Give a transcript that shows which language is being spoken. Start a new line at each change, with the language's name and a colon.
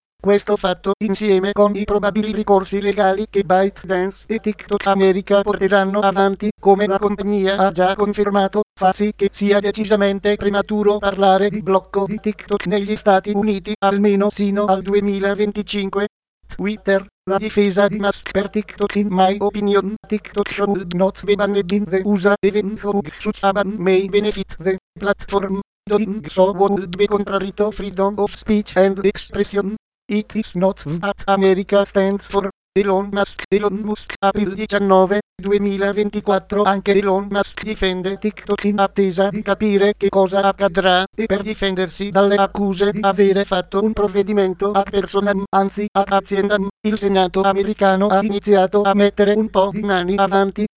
Italian: Questo fatto, insieme con i probabili ricorsi legali che ByteDance e TikTok America porteranno avanti, come la compagnia ha già confermato, fa sì che sia decisamente prematuro parlare di blocco di TikTok negli Stati Uniti, almeno sino al 2025. Twitter, la difesa di Musk per TikTok.
English: In my opinion, TikTok should not be banned in the USA, even though such a ban may benefit the platform. Doing so would be contrary to freedom of speech and expression. It is not what America stands for. Elon Musk. Elon Musk. April 19, 2024.
Italian: Anche Elon Musk difende TikTok in attesa di capire che cosa accadrà, e per difendersi dalle accuse di avere fatto un provvedimento ad personam, anzi ad aziendam, il Senato americano ha iniziato a mettere un po' di mani avanti.